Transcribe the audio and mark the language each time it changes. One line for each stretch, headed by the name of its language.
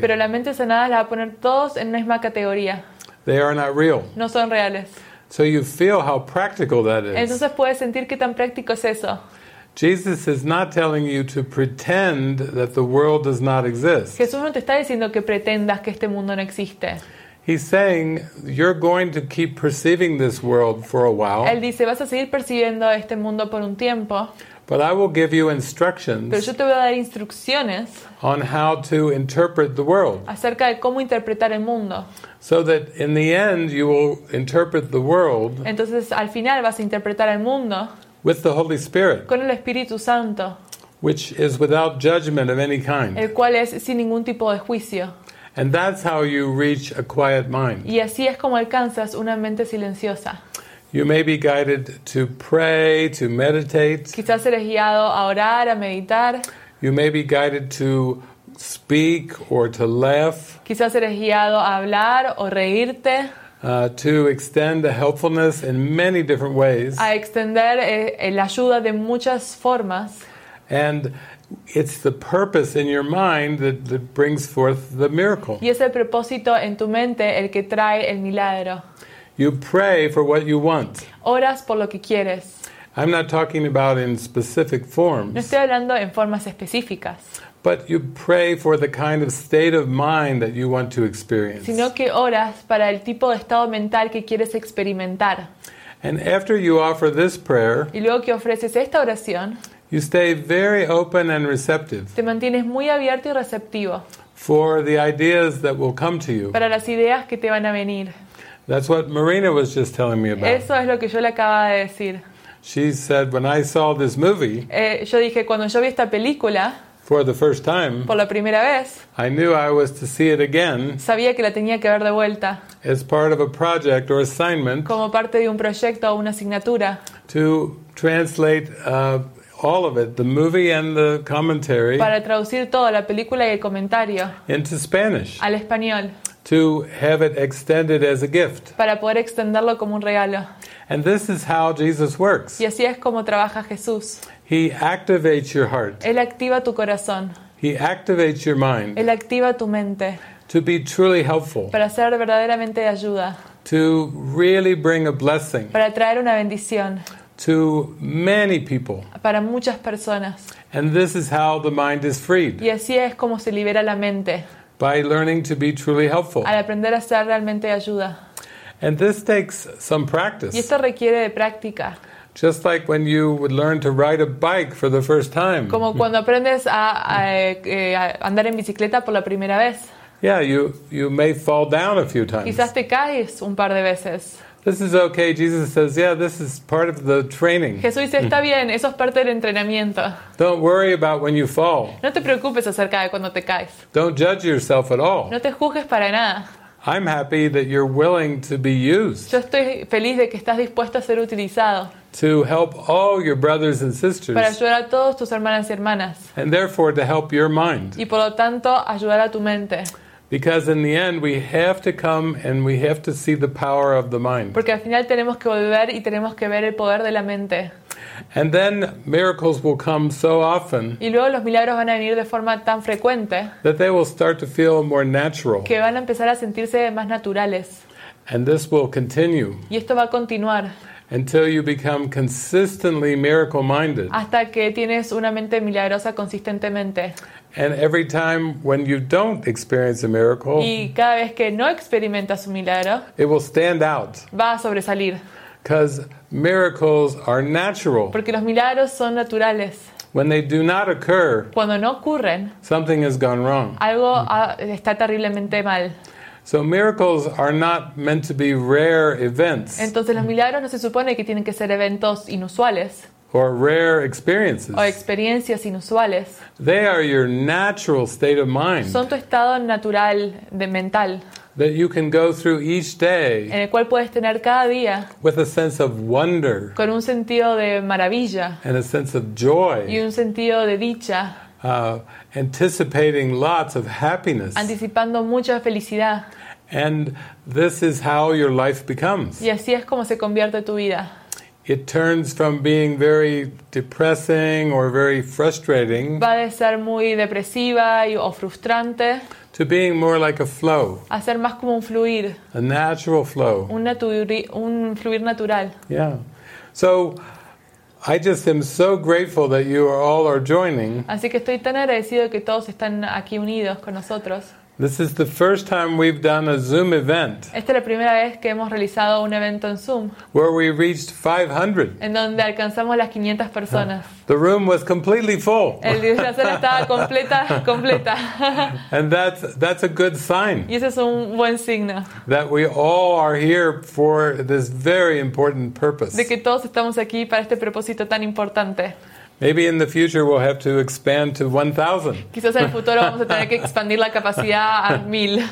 Spanish: Pero la mente sanada la va a poner todos en la misma categoría.
English: They are not real.
Spanish: No son reales.
English: So you feel how practical that is.
Spanish: Entonces puedes sentir qué tan práctico es eso.
English: Jesus is not telling you to pretend that the world does not exist.
Spanish: Jesús no te está diciendo que pretendas que este mundo no existe.
English: He's saying you're going to keep perceiving this world for a while.
Spanish: Él dice vas a seguir percibiendo este mundo por un tiempo.
English: But I will give you instructions.
Spanish: Pero yo te voy a dar instrucciones
English: on how to interpret the world.
Spanish: Acerca de cómo interpretar el mundo.
English: So that in the end you will interpret the world.
Spanish: Entonces al final vas a interpretar el mundo.
English: With the Holy Spirit.
Spanish: Con el Espíritu Santo.
English: Which is without judgment of any kind.
Spanish: El cual es sin ningún tipo de juicio.
English: And that's how you reach a quiet mind.
Spanish: Y así es como alcanzas una mente silenciosa.
English: You may be guided to pray, to meditate.
Spanish: Quizás eres guiado a orar, a meditar.
English: You may be guided to speak or to laugh.
Spanish: Quizás eres guiado a hablar o reírte.
English: To extend the helpfulness in many different ways.
Spanish: A extender la ayuda de muchas formas.
English: And it's the purpose in your mind that brings forth the miracle.
Spanish: Y es el propósito en tu mente el que trae el milagro.
English: You pray for what you want.
Spanish: Oras por lo que quieres.
English: I'm not talking about in specific forms.
Spanish: No estoy hablando en formas específicas.
English: But you pray for the kind of state of mind that you want to experience.
Spanish: Sino que oras para el tipo de estado mental que quieres experimentar.
English: And after you offer this prayer,
Spanish: y luego que ofreces esta oración,
English: you stay very open and receptive.
Spanish: Te mantienes muy abierto y receptivo.
English: For the ideas that will come to you.
Spanish: Para las ideas que te van a venir.
English: That's what Marina was just telling me about.
Spanish: Eso es lo que yo le acababa de decir.
English: She said, when I saw this movie,
Spanish: yo dije, cuando yo vi esta película,
English: for the first time,
Spanish: por la primera vez,
English: I knew I was to see it again,
Spanish: sabía que la tenía que ver de vuelta,
English: as part of a project or assignment,
Spanish: como parte de un proyecto o una asignatura,
English: to translate all of it, the movie and the commentary,
Spanish: para traducir toda la película y el comentario,
English: into Spanish,
Spanish: al español.
English: To have it extended as a gift.
Spanish: Para poder extenderlo como un regalo.
English: And this is how Jesus works.
Spanish: Y así es como trabaja Jesús.
English: He activates your heart.
Spanish: Él activa tu corazón.
English: He activates your mind.
Spanish: Él activa tu mente.
English: To be truly helpful.
Spanish: Para ser verdaderamente de ayuda.
English: To really bring a blessing.
Spanish: Para traer una bendición.
English: To many people.
Spanish: Para muchas personas.
English: And this is how the mind is freed.
Spanish: Y así es como se libera la mente.
English: By learning to be truly helpful.
Spanish: Al aprender a ser realmente ayuda.
English: And this takes some practice.
Spanish: Y esto requiere de práctica.
English: Just like when you would learn to ride a bike for the first time.
Spanish: Como cuando aprendes a andar en bicicleta por la primera vez.
English: Yeah, you may fall down a few times.
Spanish: Quizás te caes un par de veces.
English: This is okay, Jesus says. Yeah, this is part of the training.
Spanish: Jesús dice, está bien, eso es parte del entrenamiento.
English: Don't worry about when you fall.
Spanish: No te preocupes acerca de cuando te caes.
English: Don't judge yourself at all.
Spanish: No te juzgues para nada.
English: I'm happy that you're willing to be used.
Spanish: Yo estoy feliz de que estás dispuesto a ser utilizado.
English: to help all your brothers and sisters.
Spanish: Para ayudar a todos tus hermanas y hermanas.
English: And therefore to help your mind.
Spanish: Y por lo tanto, ayudar a tu mente.
English: Because in the end we have to come and we have to see the power of the mind.
Spanish: Porque al final tenemos que volver y tenemos que ver el poder de la mente.
English: And then miracles will come so often.
Spanish: Y luego los milagros van a venir de forma tan frecuente.
English: That they will start to feel more natural.
Spanish: Que van a empezar a sentirse más naturales.
English: And this will continue.
Spanish: Y esto va a continuar.
English: Until you become consistently miracle-minded.
Spanish: Hasta que tienes una mente milagrosa consistentemente.
English: And every time when you don't experience a miracle.
Spanish: Y cada vez que no experimentas un milagro.
English: It will stand out.
Spanish: Va a sobresalir.
English: Because miracles are natural.
Spanish: Porque los milagros son naturales.
English: When they do not occur.
Spanish: Cuando no ocurren.
English: Something has gone wrong.
Spanish: Algo está terriblemente mal.
English: So miracles are not meant to be rare events.
Spanish: Entonces los milagros no se supone que tienen que ser eventos inusuales.
English: Or rare experiences.
Spanish: O experiencias inusuales.
English: They are your natural state of mind.
Spanish: Son tu estado natural de mental.
English: That you can go through each day.
Spanish: En el cual puedes tener cada día.
English: With a sense of wonder.
Spanish: Con un sentido de maravilla.
English: And a sense of joy.
Spanish: Y un sentido de dicha.
English: Anticipating lots of happiness.
Spanish: Anticipando mucha felicidad.
English: And this is how your life becomes.
Spanish: Y así es como se convierte tu vida.
English: It turns from being very depressing or very frustrating.
Spanish: Va de ser muy depresiva y, o frustrante.
English: To being more like a flow.
Spanish: A ser más como un fluir.
English: A natural flow.
Spanish: Un fluir natural. Yeah.
English: So I just am so grateful that you all are joining.
Spanish: Así que estoy tan agradecido que todos están aquí unidos con nosotros.
English: This is the first time we've done a Zoom event.
Spanish: Esta es la primera vez que hemos realizado un evento en Zoom.
English: Where we reached 500.
Spanish: En donde alcanzamos las 500 personas.
English: The room was completely full.
Spanish: El sala estaba completa.
English: And that's a good sign.
Spanish: Y eso es un buen signo.
English: That we all are here for this very important purpose.
Spanish: De que todos estamos aquí para este propósito tan importante.
English: Maybe in the future we'll have to expand to 1,000.
Spanish: Quizás en el futuro vamos a tener que expandir la capacidad a 1,000.